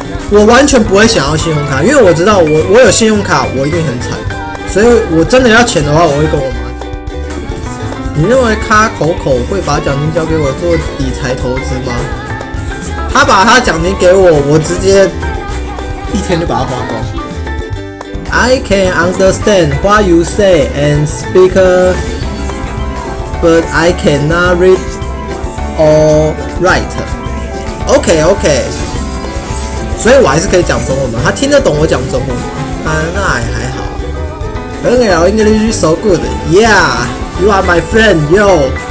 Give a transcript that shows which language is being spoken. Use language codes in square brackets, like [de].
[zh] 我完全不会想要信用卡，因为我知道我有信用卡，我一定很惨，所以我真的要钱的话，我会跟我妈。你认为卡口口会把奖金交给我做理财投资吗？他把他奖金给我，我直接一天就把它花光。 [en] I can understand what you say and speak, but I cannot read or write. OK. [zh] 所以我还是可以讲中文嘛？他听得懂我讲中文吗？那也还好。 [en] Hello, English is so good. Yeah, you are my friend. Yo,